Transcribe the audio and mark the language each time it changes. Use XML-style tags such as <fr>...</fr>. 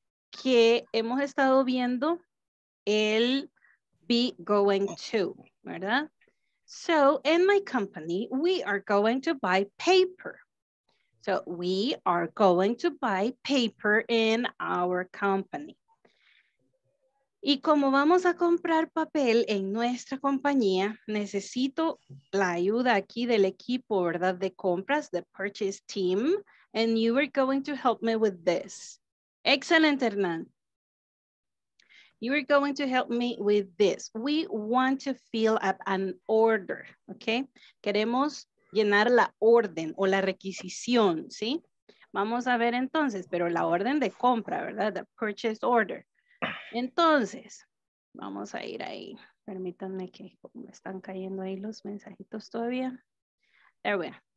<es>que hemos estado viendo el be going to, ¿verdad?</es> <en>So, in my company, we are going to buy paper. So, we are going to buy paper in our company.</en> <es>Y como vamos a comprar papel en nuestra compañía, necesito la ayuda aquí del equipo, ¿verdad? De compras,</es> <en>the purchase team. And you are going to help me with this. Excellent, Hernán. You are going to help me with this. We want to fill up an order, okay?</en> <es>Queremos llenar la orden o la requisición, ¿sí? Vamos a ver entonces, pero la orden de compra, ¿verdad?</es> <en>The purchase order.</en> <es>Entonces, vamos a ir ahí. Permítanme que me están cayendo ahí los mensajitos todavía.</es> <en>There we are.</en>